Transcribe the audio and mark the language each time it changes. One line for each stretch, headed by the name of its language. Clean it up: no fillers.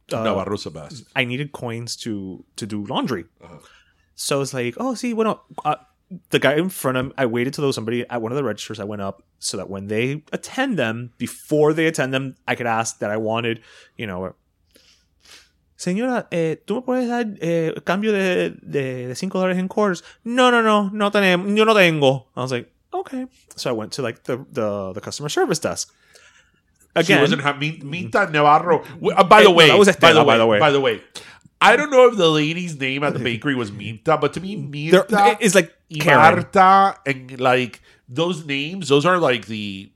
English: Navarro's the best. I needed coins to do laundry. Uh-huh. So I was like, oh, see, bueno, the guy in front of him, I waited till there was somebody at one of the registers. I went up so that when they attend them, before they attend them, I could ask that I wanted, you know.
Spanish: Señora, ¿tú me puedes dar cambio de $5 en quarters? No, yo no tengo.
English: I was like, okay. So I went to like the customer service desk. Again. She wasn't having Mita Navarro. By the way. I don't know if the lady's name at the bakery was Mita, but to me, Mita is like Marta, and like those names, those are like the